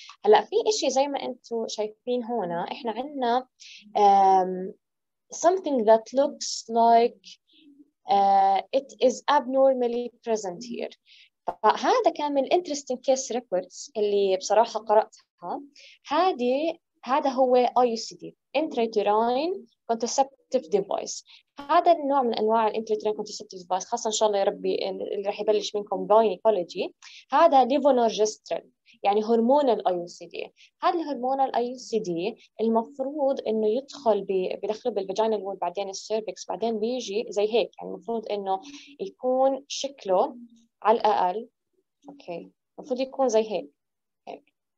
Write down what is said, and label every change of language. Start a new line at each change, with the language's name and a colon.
Arabic: هلا في اشي زي ما انتو شايفين هون احنا عندنا
English: something that looks like it is abnormally present here.
Arabic: فهذا كان من
English: interesting case records
Arabic: اللي بصراحة قرأتها. هذا هو IUCD intrauterine contraceptive device. هذا النوع من انواع الانتراترين contraceptive device، خاصه ان شاء الله يا ربي اللي راح يبلش منكم باين ايكولوجي، هذا ليفونورجسترين. يعني هرمون الاي سي دي. هذا الهرمون الاي سي دي المفروض انه يدخل بدخل بالفاجينال وول بعدين السيرفكس بعدين بيجي زي هيك، يعني المفروض انه يكون شكله على الاقل اوكي، المفروض يكون زي هيك هيك.